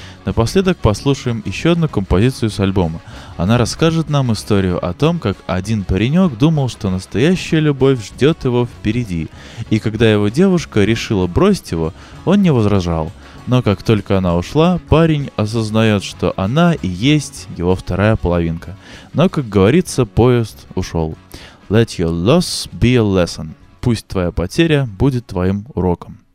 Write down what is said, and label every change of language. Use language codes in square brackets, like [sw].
[ru] Напоследок послушаем еще одну композицию с альбома. Она расскажет нам историю о том, как один паренек думал, что настоящая любовь ждет его впереди. И когда его девушка решила бросить его, он не возражал. Но как только она ушла, парень осознает, что она и есть его вторая половинка. Но, как говорится, поезд ушел. [en] Let your loss be a lesson. [ru] Пусть твоя потеря будет твоим уроком.